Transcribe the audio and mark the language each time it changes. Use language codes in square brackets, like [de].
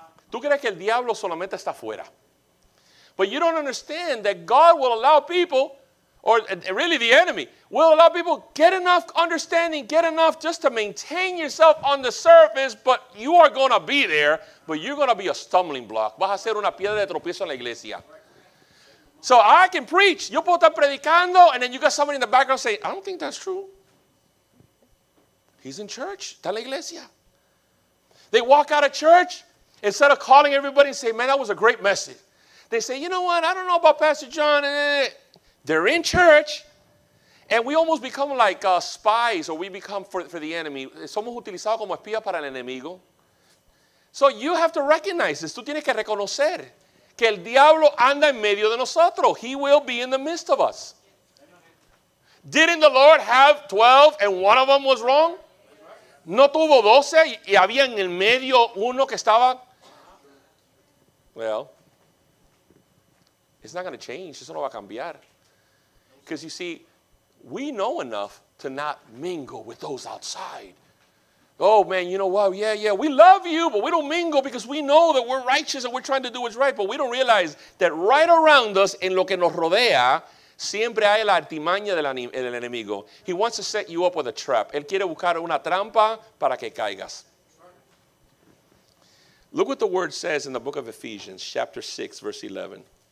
[es] Tú crees que el diablo solamente está afuera. [en] But you don't understand that God will allow people, or really the enemy, will allow people get enough understanding, get enough just to maintain yourself on the surface, but you are going to be there, but you're going to be a stumbling block. [es] Vas a ser una piedra de tropiezo en la iglesia. [en] So I can preach. [es] Yo puedo estar predicando, [en] and then you got somebody in the background saying, I don't think that's true. He's in church. [es] Está en la iglesia. [en] They walk out of church. Instead of calling everybody and saying, man, that was a great message. They say, you know what? I don't know about Pastor John. They're in church. And we almost become like spies, or we become for the enemy. [es] Somos utilizados como espía para el enemigo. [en] So you have to recognize this. [es] Tú tienes que reconocer que el diablo anda en medio de nosotros. [en] He will be in the midst of us. Didn't the Lord have 12 and one of them was wrong? [es] No tuvo 12 y había en el medio uno que estaba. [en] Well, it's not going to change. [es] Eso no va a cambiar. [en] Because you see, we know enough to not mingle with those outside. Oh, man, you know what? Yeah, yeah, we love you, but we don't mingle because we know that we're righteous and we're trying to do what's right. But we don't realize that right around us, [es] en lo que nos rodea, siempre hay la artimaña del enemigo. [en] He wants to set you up with a trap. [es] Él quiere buscar una trampa para que caigas. [en] Look what the word says in the book of Ephesians, chapter 6, verse 11.